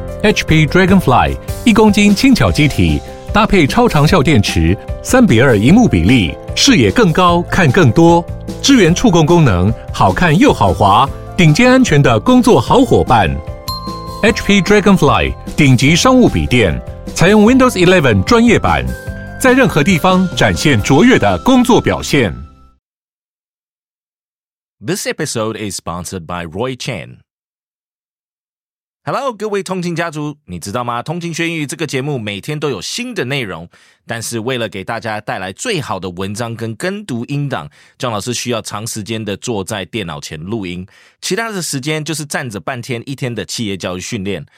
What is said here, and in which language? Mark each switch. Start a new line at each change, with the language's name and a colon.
Chinese: HP Dragonfly 一公斤轻巧机体，搭配超长效电池，3:2萤幕比例，视野更高，看更多，支援触控功能，好看又好滑，顶尖安全的工作好伙伴。 HP Dragonfly 顶级商务笔电，采用 Windows 11专业版，在任何地方展现卓越的工作表现。
English: This episode is sponsored by Roy Chan.
Chinese: Hello, 各位通勤家族，你知道吗？通勤学英语这个节目每天都有新的内容，但是为了给大家带来最好的文章跟跟读音档，张老师需要长时间的坐在电脑前录音，其他的时间就是站着半天一天的企业教育训练。